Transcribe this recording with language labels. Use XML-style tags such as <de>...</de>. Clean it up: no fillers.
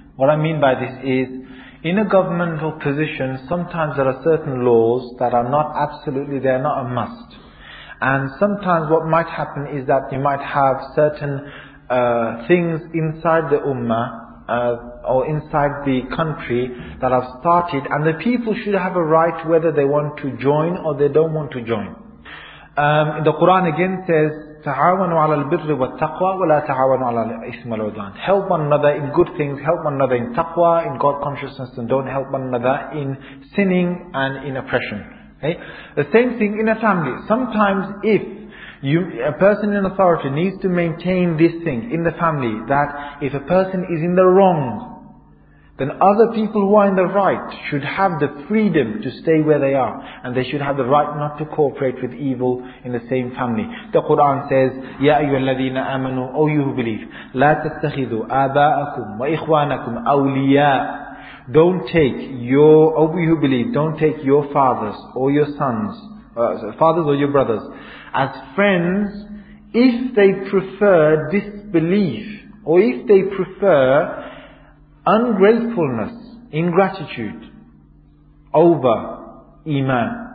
<en>What I mean by this is, in a governmental position, sometimes there are certain laws that are not absolutely, they are not a must. And sometimes what might happen is that you might have certain things inside the ummah or inside the country that have started, and the people should have a right whether they want to join or they don't want to join. The Quran again says,</en> <ar>تَعَوَنُوا عَلَى الْبِرِّ وَالتَّقْوَى وَلَا تَعَوَنُوا عَلَى الْإِثْمِ وَالْعُدْوَانِ.</ar> <en>Help one another in good things, help one another in taqwa, in God consciousness, and don't help one another in sinning and in oppression. Okay? The same thing in a family. Sometimes if a person in authority needs to maintain this thing in the family, that if a person is in the wrong, then other people who are in the right should have the freedom to stay where they are. And they should have the right not to cooperate with evil in the same family. The Quran says,</en> <ar>يَا أَيُّهَا الَّذِينَ آمَنُوا</ar> <en>O you who believe,</en> <ar>لَا تَتَّخِذُوا آبَاءَكُمْ وَإِخْوَانَكُمْ أَوْلِيَاءَ.</ar> <en>Don't take your, O you who believe, don't take your fathers or your sons, fathers or your brothers, as friends if they prefer disbelief or if they prefer ungratefulness, ingratitude over iman.</en>